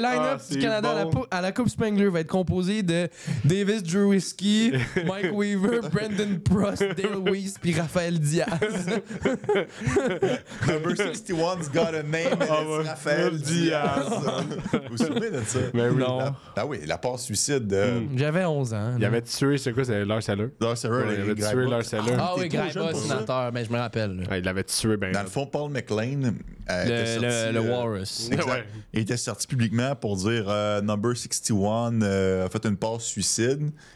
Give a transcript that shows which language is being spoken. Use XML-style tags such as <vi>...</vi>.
<fr>line-up du Canada à la Coupe Spengler va être composé de Davis Drewski, Mike Weaver, Brendan Prost, Dale Weiss puis Raphaël Diaz.</fr> <en>Number 61's got a name and it's Raphaël Diaz.</en> <fr>Vous vous souvenez de ça? Mais oui, non. Ah oui, la passe suicide de... J'avais 11 ans. Il avait tué, c'est quoi? C'est Lars Eller? Lars Eller, il avait tué Lars Eller. Ah oui, Greiba, sénateur, mais je me rappelle. Ouais, il l'avait tué, ben. Dans le fond, Paul McLean le Walrus. Il était sorti publiquement pour dire</fr> <en>Number 61</en> <fr>a fait une passe suicide.</fr>